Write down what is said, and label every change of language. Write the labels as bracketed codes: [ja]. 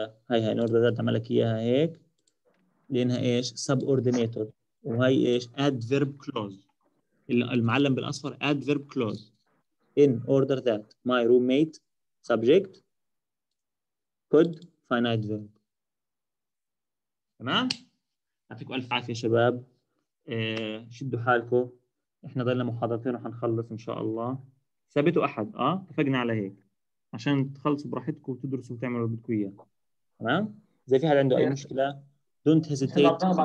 [ar] هاي in order that عملك إياها هيك. لأنها إيش؟ Subordinator. وهي إيش؟ Adverb clause. المعلم بالأصفر adverb clause. [en] In order that my roommate, subject, could, finite verb. [ar] تمام؟ يعطيكم ألف عافية شباب. شدوا حالكم. إحنا ضلنا محاضرتين وحنخلص إن شاء الله. سبت وأحد، اتفقنا على هيك. عشان تخلصوا براحتكم وتدرسوا وتعملوا اللي بدكم إياه. تمام؟ إذا في حد عنده أي مشكلة، [en] don't hesitate.